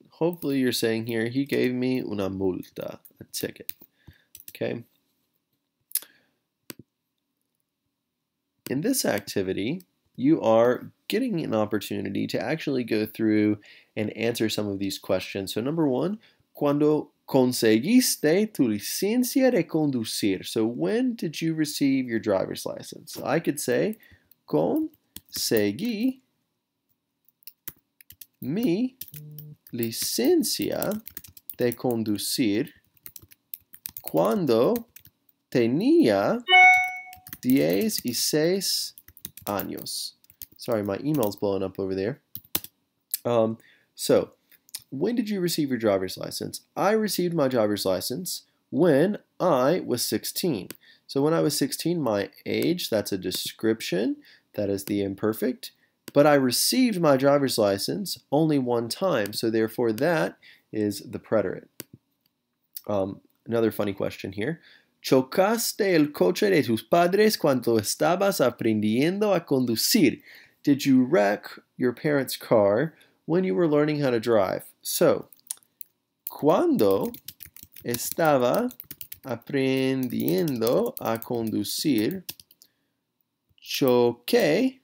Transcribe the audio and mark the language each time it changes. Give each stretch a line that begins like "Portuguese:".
English: Hopefully you're saying here he gave me
Spanish: una multa,
English: a ticket. Okay. In this activity, you are getting an opportunity to actually go through and answer some of these questions. So number one,
Spanish: ¿cuándo conseguiste tu licencia de conducir?
English: So when did you receive your driver's license? So I could say,
Spanish: conseguí mi licencia de conducir cuando tenía 16 años.
English: Sorry, my email's blowing up over there. So, when did you receive your driver's license? I received my driver's license when I was 16. So when I was 16, my age, that's a description, that is the imperfect. But I received my driver's license only one time, so therefore that is the preterite. Another funny question here.
Spanish: ¿Chocaste el coche de tus padres cuando estabas aprendiendo a conducir?
English: Did you wreck your parents' car when you were learning how to drive? So,
Spanish: cuando estaba aprendiendo a conducir, choqué.